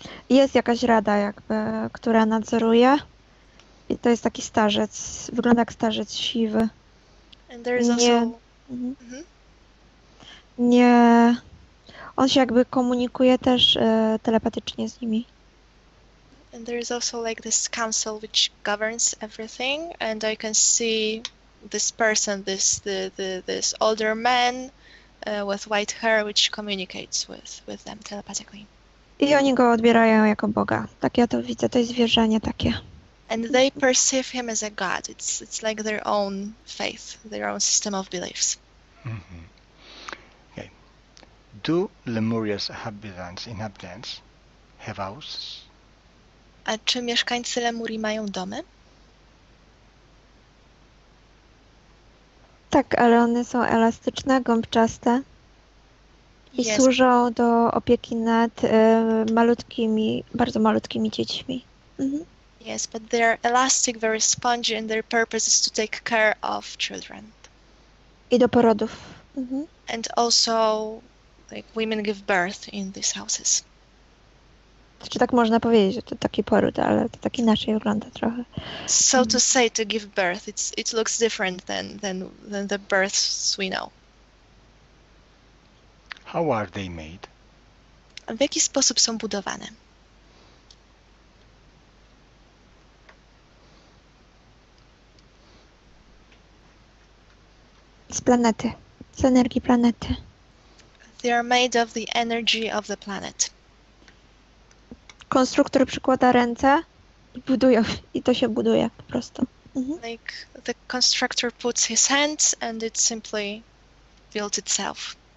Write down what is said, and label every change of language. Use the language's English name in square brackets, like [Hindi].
[Polish] Jest jakaś rada, jakby, która nadzoruje. I to jest taki starzec. Wygląda jak starzec siwy. [English] And there is [Polish] Nie. [English] Also... [Polish] Mm-hmm. Nie. On się jakby komunikuje też telepatycznie z nimi. [English] And there is also like this council which governs everything, and I can see this person, this older man with white hair, which communicates with them telepathically. [Polish] I oni go odbierają jako Boga. Tak ja to widzę, to jest wierzenie takie. [English] And they perceive him as a god. It's like their own faith, their own system of beliefs. Mm-hmm. Okay. Do Lemuria's inhabitants have houses? [Polish] A czy mieszkańcy Lemurii mają domy? Tak, ale one są elastyczne, gąbczaste i [English] yes. [Polish] służą do opieki nad malutkimi, bardzo malutkimi dziećmi. Mhm. [English] Yes, but they are elastic, very spongy, and their purpose is to take care of children. [Polish] I do porodów. Mhm. [English] And also, like, women give birth in these houses. [Polish] Czy tak można powiedzieć, że to taki poród, ale to tak inaczej wygląda trochę. [English] So to say, to give birth, it looks different than the births we know. How are they made? [Polish] A w jaki sposób są budowane? Z planety, z energii planety. [English] They are made of the energy of the planet. [Polish] Konstruktor przykłada ręce i buduje, i to się buduje po prostu. Mhm. [English] Like the constructor puts his hands and it simply built itself.